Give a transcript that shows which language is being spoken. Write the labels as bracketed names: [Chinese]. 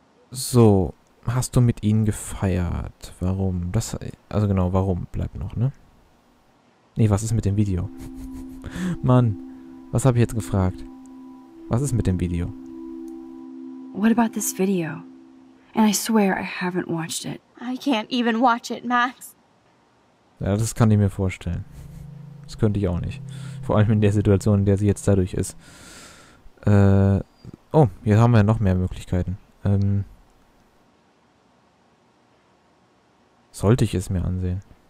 [German] So, hast du mit ihnen gefeiert? Warum? Warum bleibt noch, ne? Nee, was ist mit dem Video? Mann, was habe ich jetzt gefragt? Was ist mit dem Video? [English] What about this video? And I swear I haven't watched it. I can't even watch it, Max. [German] Ja, das kann ich mir vorstellen. Das könnte ich auch nicht. Vor allem in der Situation, in der sie jetzt dadurch ist. Oh, hier haben wir noch mehr Möglichkeiten. Sollte ich es mir ansehen?